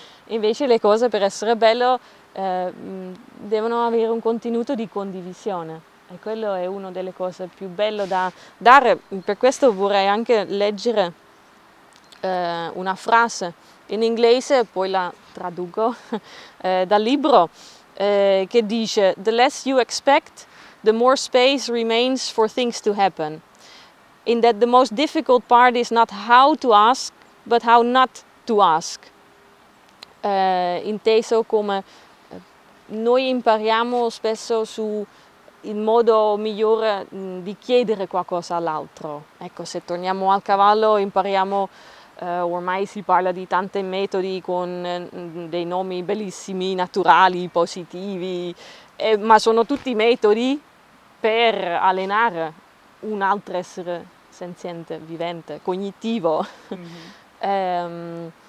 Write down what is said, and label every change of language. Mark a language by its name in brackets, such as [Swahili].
[Italian] Invece le cose per essere belle devono avere un contenuto di condivisione. E quello è una delle cose più belle da dare. Per questo vorrei anche leggere una frase in inglese, poi la traduco dal libro. Che dice: [English] "The less you expect, the more space remains for things to happen. In that the most difficult part is not how to ask, but how not to ask." [Italian] Inteso come noi impariamo spesso su il modo migliore di chiedere qualcosa all'altro. Ecco, se torniamo al cavallo, impariamo. Ormai si parla di tanti metodi con dei nomi bellissimi, naturali, positivi, ma sono tutti metodi per allenare un altro essere senziente, vivente, cognitivo. Mm-hmm.